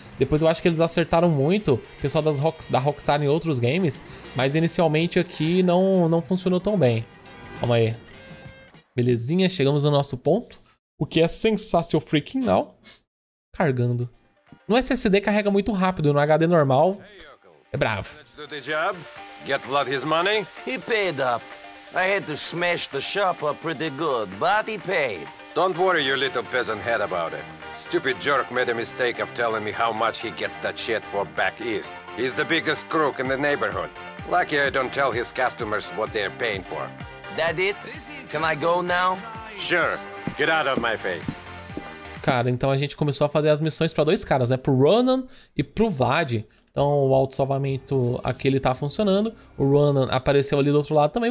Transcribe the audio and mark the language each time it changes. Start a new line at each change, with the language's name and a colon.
Portuguese: Depois eu acho que eles acertaram muito, o pessoal da Rockstar em outros games, mas inicialmente aqui não funcionou tão bem. Calma aí. Belezinha, chegamos no nosso ponto. O que é sensacional freaking now. Cargando. No SSD carrega muito rápido, no HD normal. É bravo.
English: Get Vlad his money. He paid up. I had to smash the shop up pretty good, but he paid. Don't worry your little peasant head about it. Stupid jerk made a mistake of telling me how much he gets that shit for back east. He's the biggest crook in the neighborhood. Lucky I don't tell his customers what they're paying for. That it? Can I go now? Sure. Get out of my face.
Portuguese: Cara, então a gente começou a fazer as missões para dois caras, né? Pro Ronan e pro Vlad. Então o auto-salvamento aqui ele tá funcionando. O Ronan apareceu ali do outro lado também.